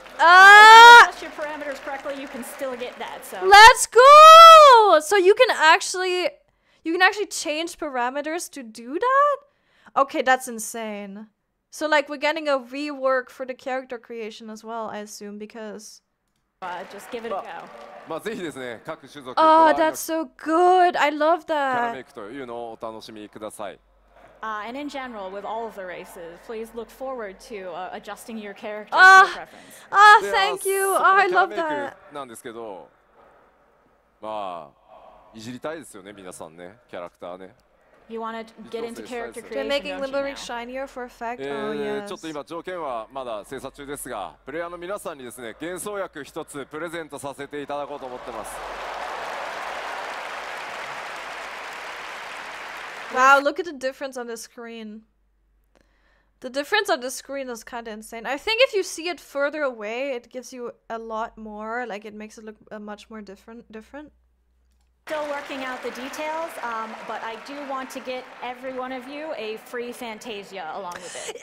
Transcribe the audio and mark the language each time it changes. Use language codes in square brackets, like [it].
[en] Adjust your parameters correctly, you can still get that. So let's go. So you can actually change parameters to do that. Okay, that's insane. So like we're getting a rework for the character creation as well, I assume, because just give it a go. [ja] まあぜひですね、各種族。 [en] Oh, that's so good. I love that. [ja] キャラメイクというのをお楽しみください。 [en] And in general, with all of the races, please look forward to adjusting your character preference. Ah, thank you. Oh, I love that. [ja] なんですけど、まあいじりたいですよね、皆さんね、キャラクターね。 [en] You want to get into character creation? They're making limbal rings shinier for effect. Oh yes. [ja] ちょっと今条件はまだ精査中ですが、プレイヤーの皆さんにですね、幻想薬一つプレゼントさせていただこうと思ってます。 [en] Wow, look at the difference on the screen. The difference on the screen is kind of insane. I think if you see it further away, it gives you a lot more, like it makes it look much more different. Still working out the details, but I do want to get every one of you a free Fantasia along with it.